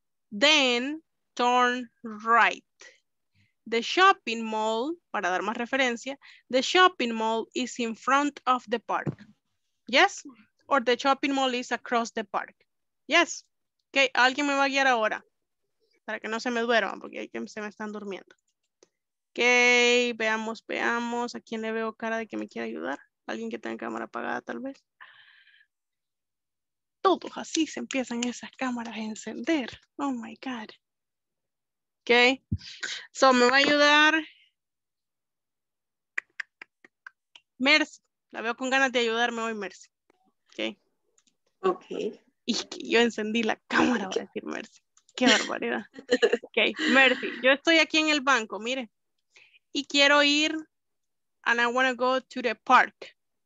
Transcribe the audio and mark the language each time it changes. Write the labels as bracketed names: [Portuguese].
[English] Then turn right. The shopping mall, [Spanish] para dar más referencia, [English] the shopping mall is in front of the park. Yes? Or the shopping mall is across the park. [Spanish] Yes? Okay, alguien me va a guiar ahora. Para que no se me duerman, porque hay que se me están durmiendo. Okay, veamos, veamos. ¿A quién le veo cara de que me quiere ayudar? ¿Alguien que tenga cámara apagada, tal vez? Todos así se empiezan esas cámaras a encender. [English] Oh my God. [Spanish] Okay, so me va a ayudar. Mercy, la veo con ganas de ayudarme hoy, Mercy. [English] Okay. Okay. [Spanish] Y que yo encendí la cámara, voy a decir Mercy. Qué barbaridad. Okay, Mercy, yo estoy aquí en el banco, mire. Y quiero ir, [English] and I want to go to the park.